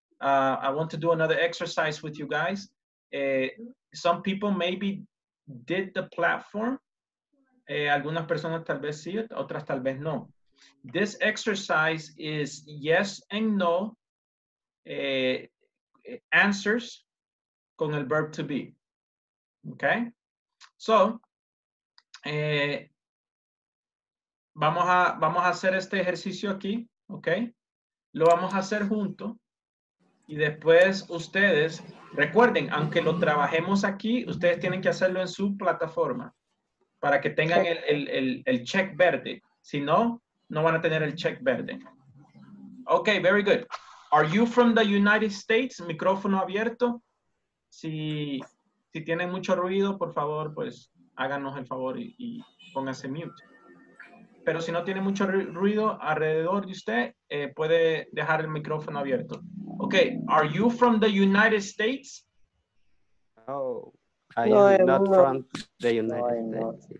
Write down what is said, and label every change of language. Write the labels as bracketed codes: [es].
[en] I want to do another exercise with you guys. Some people maybe did the platform. [es] Algunas personas tal vez sí, otras tal vez no. [en] This exercise is yes and no answers [es] con el [en] verb to be. Okay? [es] So, Vamos a hacer este ejercicio aquí, ¿ok? Lo vamos a hacer junto y después ustedes, recuerden, aunque lo trabajemos aquí, ustedes tienen que hacerlo en su plataforma para que tengan el check verde. Si no, no van a tener el check verde. [en] Ok, very good. Are you from the United States? [es] Micrófono abierto. Si tienen mucho ruido, por favor, pues háganos el favor y pónganse mute. Pero si no tiene mucho ruido alrededor de usted, puede dejar el micrófono abierto. [en] Okay, are you from the United States? No, I am not from the United States.